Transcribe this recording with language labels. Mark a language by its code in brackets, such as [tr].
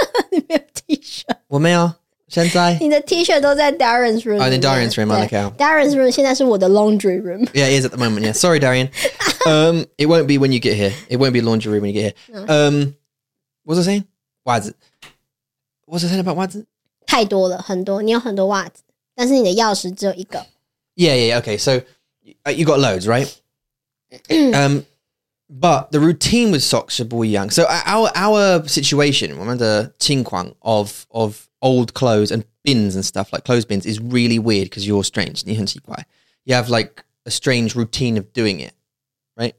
[zh] 你没有 T-shirt. 我没有。你的 T-shirt 都在 Darren's room. [en] Oh, in Darren's room, I look out. [zh] Darren's room 现在是我的 laundry room. [en] Yeah, it is at the moment. Yeah, sorry, Darren. It won't be when you get here. It won't be laundry room when you get here. What was I saying? 袜子.What was I saying about 袜子? [zh] 太多了，很多。你有很多袜子，但是你的钥匙只有一个. [en] Yeah. Okay, so you got loads, right? But the routine with socks should be young. So our situation, the 情况 of old clothes and bins and stuff, like clothes bins, is really weird because you're strange. [zh] 你很奇怪. [en] You have like a strange routine of doing it, right?